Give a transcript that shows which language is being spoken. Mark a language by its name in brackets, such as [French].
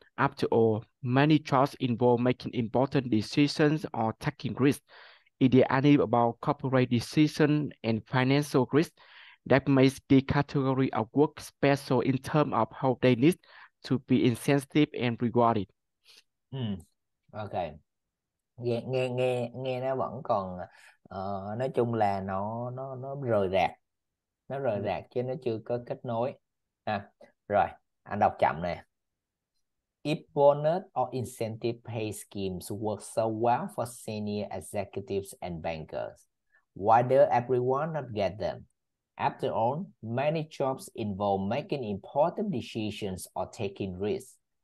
[English] After all, many jobs involve making important decisions or taking risks. Is there any about corporate decision and financial risk that makes the category of work special in terms of how they need to be incentive and rewarded? Ok. [Vietnamese] Nghe, nghe nghe nghe nó vẫn còn nói chung là nó rời rạc. Nó rời rạc chứ nó chưa có kết nối. Rồi, anh đọc chậm nè. [English] If bonus or incentive pay schemes work so well for senior executives and bankers, why do everyone not get them? After all, many jobs involve making important decisions or taking risks.